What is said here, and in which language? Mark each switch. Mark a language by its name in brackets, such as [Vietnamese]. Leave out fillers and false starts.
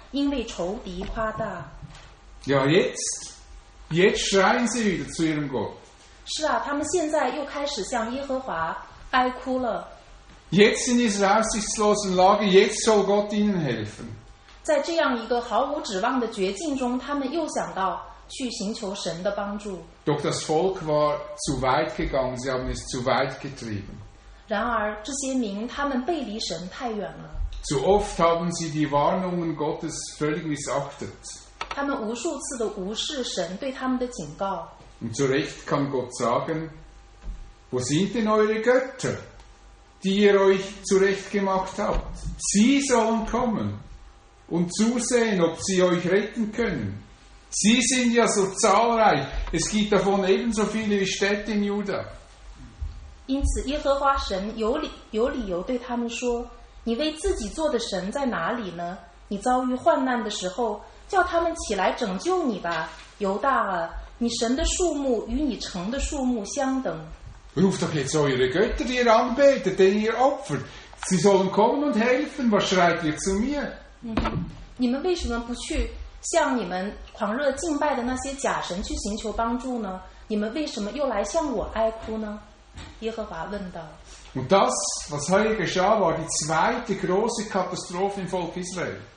[Chinese] 耶利米写道，他的污秽是在衣襟上，他不思想自己的结局，所以非常的败落，无人安慰他。他说，耶和华啊，求你看我的苦难，因为仇敌夸大。 [German] Ja, jetzt schreien sie wieder zu ihrem Gott. [Chinese] 是啊，他们现在又开始向耶和华哀哭了。 [German] Jetzt in dieser aussichtslosen Lage, jetzt soll Gott ihnen helfen. [Chinese] 在这样一个毫无指望的绝境中，他们又想到去寻求神的帮助。 [German] Doch das Volk war zu weit gegangen, sie haben es zu weit getrieben. [Chinese] 然而，这些民他们背离神太远了。 [German] Zu oft haben sie die Warnungen Gottes völlig missachtet. [Chinese] 他们无数次的无视神对他们的警告。 [German] Und zu Recht kann Gott sagen, Wo sind denn eure Götter, die ihr euch zurechtgemacht habt? Sie sollen kommen und zusehen, ob sie euch retten können. Sie sind ja so zahlreich. Es gibt davon ebenso viele wie Städte in Juda. [Chinese] 因此，耶和华神有理由对他们说：“你为自己做的神在哪里呢？你遭遇患难的时候，叫他们起来拯救你吧，犹大啊！你神的数目与你城的数目相等。” [German] Ruft doch jetzt eure Götter, die ihr anbetet, denen ihr opfert. Sie sollen kommen und helfen. Was schreit ihr zu mir? [Chinese] 你们为什么不去向你们狂热敬拜的那些假神去寻求帮助呢？你们为什么又来向我哀哭呢？ [German] Und das, was heute geschah, war die zweite große Katastrophe im Volk Israel.